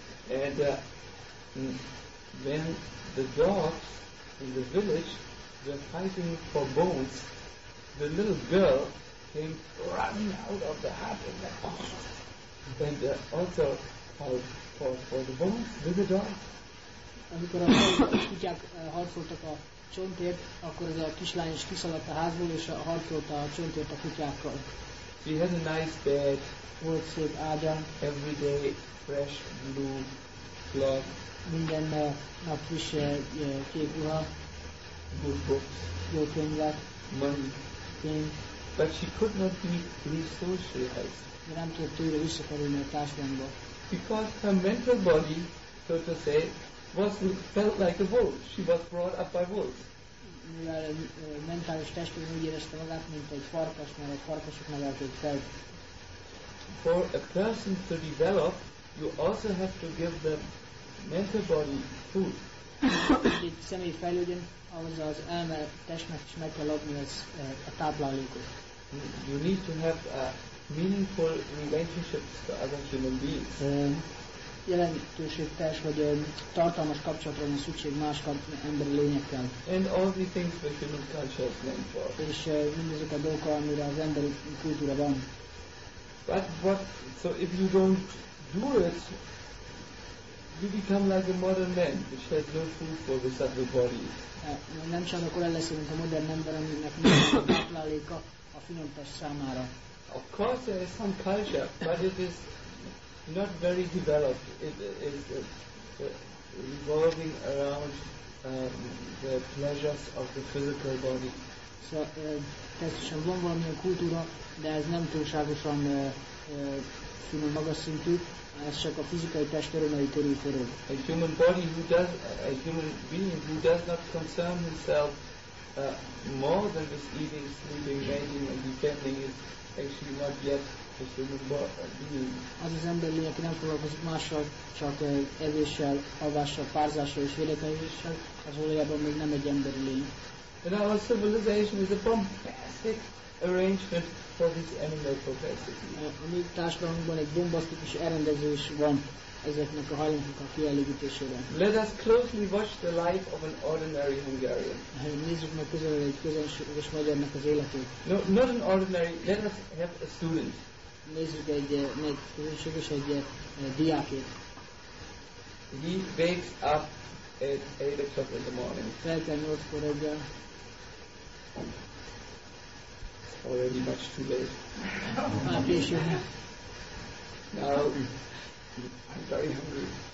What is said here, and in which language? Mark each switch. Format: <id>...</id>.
<en>And when the dogs in the village were fighting for bones, the little girl came running out of the hut and went, oh, and also called for the bones with the dog.</en> <hu>Amikor a kutyák harcoltak a csontért, akkor ez a kislány is kiszaladt a házból, és harcolt a csontért a kutyákkal.</hu> <en>She had a nice bed.</en> <hu>Volt szép ágya.</hu> <en>Every day fresh blue cloth.</en> <hu>Minden nap friss kék ruha.</hu> <en>Good books.</en> <hu>Jó könyvek.</hu> <en>Money.</en> <hu>Pénz.</hu> <en>But she could not be re-socialized.</en> <hu>Nem tudott tőle visszakerülni a társadalomba.</hu> <en>Because her mental body, so to say, was felt like a wolf. She was brought up by wolves.</en> <hu>Mivel mentális testben úgy érezte magát, mint egy farkas, mert egy farkasok nevelték fel.</hu> <en>For a person to develop, you also have to give the mental body food.</en> <hu>Egy személy fejlődjön, ahhoz az elme testnek is meg kell adni az a táplálékot.</hu> <en>You need to have a meaningful relationships to other human beings.</en> <hu>Jelentőségteljes vagy tartalmas kapcsolatra van szükség más emberi lényekkel.</hu> <en>And all the things that human culture is meant for.</en> <hu>És mindezek a dolgok, amire az emberi kultúra van.</hu> <en>But what, so if you don't do it, you become like a modern man, which has no food for the subtle body.</en> <hu>Nem csak akkor leszel, mint a modern ember, aminek nincs a tápláléka a finom test számára.</hu> <en>Of course there is some culture, but it is not very developed. It is revolving around the pleasures of the physical body.</en> <hu>So, természetesen van valami kultúra, de ez nem túlságosan finom magas szintű, ez csak a fizikai test örömei körül forog.</hu> <en>A human body who does, a human being who does not concern himself more than this eating, sleeping, bathing and defending is actually not yet a human being.</en> <hu>Az az ember lény, aki nem foglalkozik mással, csak evéssel, alvással, párzással és védekezéssel, az valójában még nem egy emberi lény.</hu> <en>And our civilization is a bombastic arrangement for this animal propensity.</en> <hu>A mi társadalomban egy bombasztikus elrendezés van ezeknek a hajlamoknak a kielégítésére.</hu> <en>Let us closely watch the life of an ordinary Hungarian.</en> <hu>Nézzük meg közel egy közönséges magyarnak az életét.</hu> <en>No, not an ordinary, let us have a student.</en> <hu>Nézzük egy közönséges egy diákét.</hu> <en>He wakes up at 8 o'clock in the morning.</en> <hu>Fel kell 8-kor reggel.</hu> <en>Already much too late. Now I'm very hungry.</en>